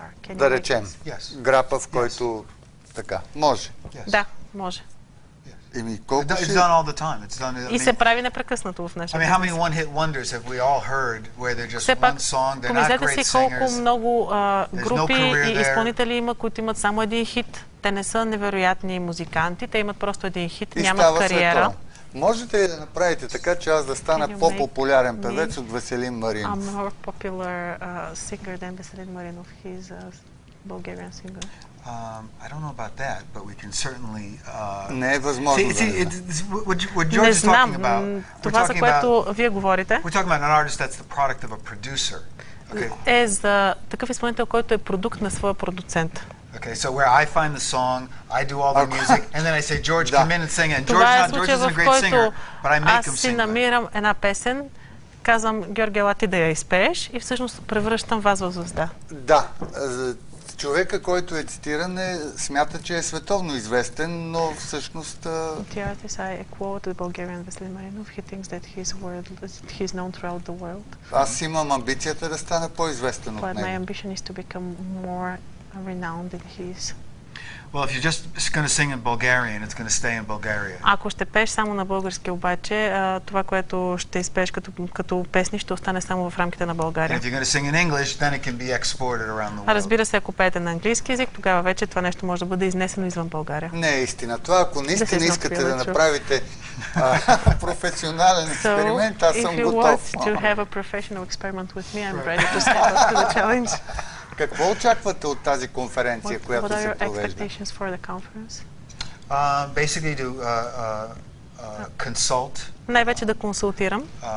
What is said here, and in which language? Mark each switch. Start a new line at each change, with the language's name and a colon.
Bulgarian: Да речем, грапав, който така. Може. Да, може.
English: It's done all the time. It's done.
Bulgarian: И се прави непрекъснато в нашата.
English: I mean, how many one-hit wonders have we all heard where they're just one song, they're not great singers.
Bulgarian: Помислете си колко много групи и изпълнители има, които имат само един хит. Те не са невероятни музиканти, те имат просто един хит, нямат кариера. Можете ли да направите така, че аз да стана по-популярен певец от Веселин Маринов?
English: I'm more popular singer than Veselin Marinov. He's a Bulgarian singer. I don't know about that, but we can certainly
Bulgarian: Не е възможно.
English: What George is talking about.
Bulgarian: Това, за което вие говорите.
English: We're talking about an artist that's the product of a producer. Okay.
Bulgarian: Е за такъв изпълнител, който е продукт на своя продуцент.
English: Okay, so where I find the song, I do all the music, and then I say George come in and sing it. George is a great singer, but I make him sing.
Bulgarian: Аз си намирам една песен. Казвам Георги, ела ти да я изпееш и всъщност превръщам вас в звезда. Да. Човека, който е цитиран, е, смята, че е световно известен, но всъщност...
English: The artist I quote, the Bulgarian Veselin Marinov, he thinks that he's world, he's known throughout the world.
Bulgarian: Аз имам амбицията да стана по-известен от него.
English: But my ambition is to become more renowned than he is. Well, if you're just going to sing in Bulgarian, it's going to stay in Bulgaria.
Bulgarian: Ако ще пееш само на български, обаче, това, което ще изпееш като песни, ще остане само в рамките на България.
English: And if you're going to sing in English, then it can be exported around the world.
Bulgarian: Разбира се, ако пеете на английски език, тогава вече това нещо може да бъде изнесено извън България. Не е истина. Това, ако наистина искате да направите професионален експеримент, аз съм готов.
English: If you want to have a professional experiment with me, I'm ready to step up to the challenge.
Bulgarian: Какво очаквате от тази конференция, която се провежда?
English: What are your expectations for the conference? Basically to consult.
Bulgarian: Най-вече да консултирам.